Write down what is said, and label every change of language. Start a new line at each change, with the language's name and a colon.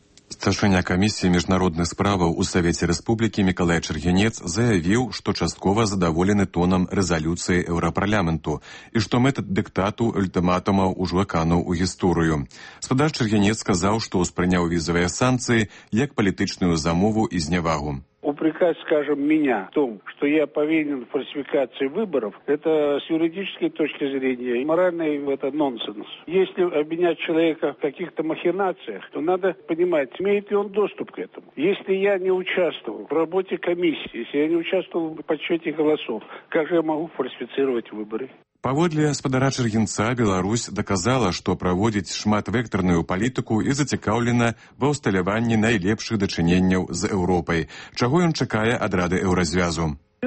Belarusian: Старшыня камісіі міжнародных справаў у Савеце Рэспублікі Мікалай Чэргінец заявіў, што часткова задаволены тонам рэзалюцыі Еўрапарламенту і што метад дыктату ультыматума ўжо кануў у гісторыю. Спадар Чэргінец сказаў, што ўспрыняў візавыя санкцыі як палітычную замову і зневагу.
Russian: Упрекать, скажем, меня в том, что я повинен в фальсификации выборов, это с юридической точки зрения и моральный это нонсенс. Если обвинять человека в каких-то махинациях, то надо понимать, имеет ли он доступ к этому. Если я не участвовал в работе комиссии, если я не участвовал в подсчете голосов, как же я могу фальсифицировать выборы?
Belarusian: Паводле спадара Чэргінца, Беларусь даказала, што праводзіць шматвектарную палітыку і зацікаўлена ва ўсталяванні найлепшых дачыненняў з Еўропай. Чаго ён чакае ад рады еўразвязу?